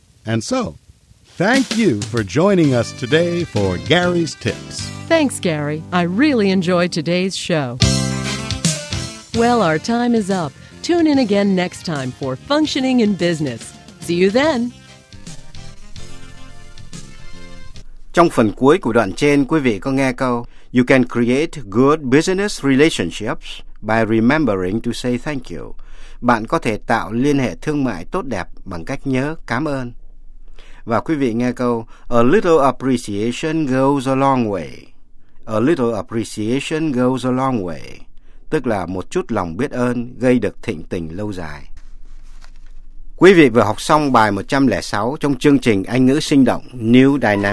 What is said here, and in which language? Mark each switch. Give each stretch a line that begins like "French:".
English: And so, thank you for joining us today for Gary's Tips. Thanks, Gary. I really enjoyed today's show. Well, our time is up. Tune in again next time for Functioning in Business. See you then!
Vietnamese: Trong phần cuối của đoạn trên, quý vị có nghe câu
English: You can create good business relationships by remembering to say thank you.
Vietnamese: Bạn có thể tạo liên hệ thương mại tốt đẹp bằng cách nhớ cảm ơn. Và quý vị nghe câu
English: A little appreciation goes a long way. A little appreciation goes a long way.
Vietnamese: Tức là một chút lòng biết ơn gây được thịnh tình lâu dài. Quý vị vừa học xong bài 106 trong chương trình Anh ngữ sinh động New Dynamic English. Phạm Văn xin kính chào quý vị thính giả.